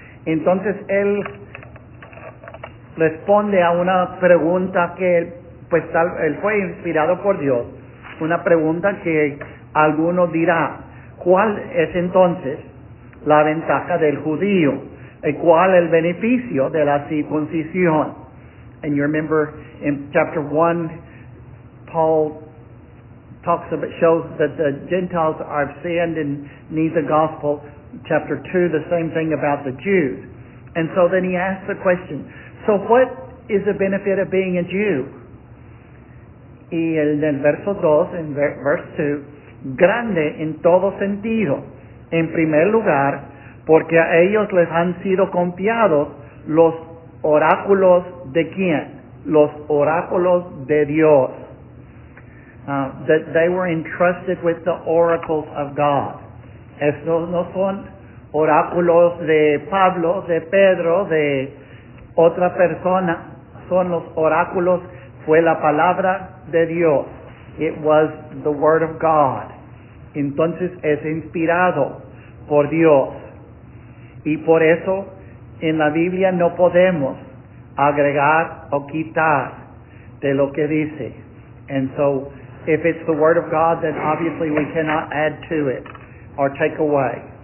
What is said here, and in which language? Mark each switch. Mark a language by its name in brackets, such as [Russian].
[Spanish] Entonces él responde a una pregunta que él fue inspirado por Dios, una pregunta que alguno dirá: ¿cuál es entonces la ventaja del judío? ¿Cuál el beneficio de la circuncisión? [English] And you remember in chapter 1, Paul talks about, shows that the Gentiles are sinned and need the gospel. Chapter 2, the same thing about the Jews. And so then he asks the question, so what is the benefit of being a Jew? [Spanish] Y en verso 2, en [English] verse 2, [Spanish] grande en todo sentido. En primer lugar, porque a ellos les han sido confiados los oráculos de quién? Los oráculos de Dios. [English] That they were entrusted with the oracles of God. [Spanish] Estos no son oráculos de Pablo, de Pedro, de otra persona. Son los oráculos, fue la palabra de Dios. [English] It was the word of God. [Spanish] Entonces es inspirado por Dios. Y por eso en la Biblia no podemos agregar o quitar de lo que dice. [English] And so, if it's the word of God, then obviously we cannot add to it or take away.